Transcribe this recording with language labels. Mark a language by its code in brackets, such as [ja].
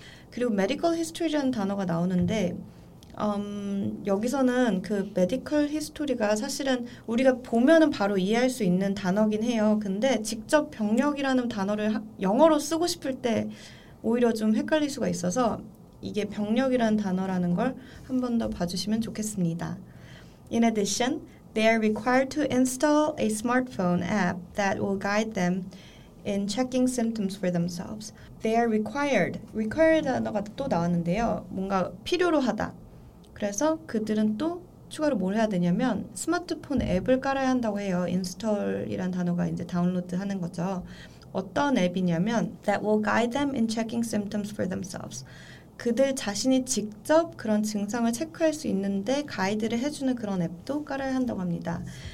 [ko] 그리고 medical history라는 단어가 나오는데 여기서는 그 메디컬 히스토리가 사실은 우리가 보면은 바로 이해할 수 있는 단어긴 해요. 근데 직접 병력이라는 단어를 영어로 쓰고 싶을 때 오히려 좀 헷갈릴 수가 있어서 이게 병력이라는 단어라는 걸 한 번 더 봐주시면 좋겠습니다. [en] In addition, they are required to install a smartphone app that will guide them in checking symptoms for themselves. They are required. [ko] Required 단어가 또 나왔는데요. 뭔가 필요로 하다. 그래서 그들은 또 추가로 뭘 해야 되냐면 스마트폰 앱을 깔아야 한다고 해요. 인스톨이란 단어가 이제 다운로드 하는 거죠. 어떤 앱이냐면 [en] that will guide them in checking symptoms for themselves. [ko] 그들 자신이 직접 그런 증상을 체크할 수 있는데 가이드를 해주는 그런 앱도 깔아야 한다고 합니다.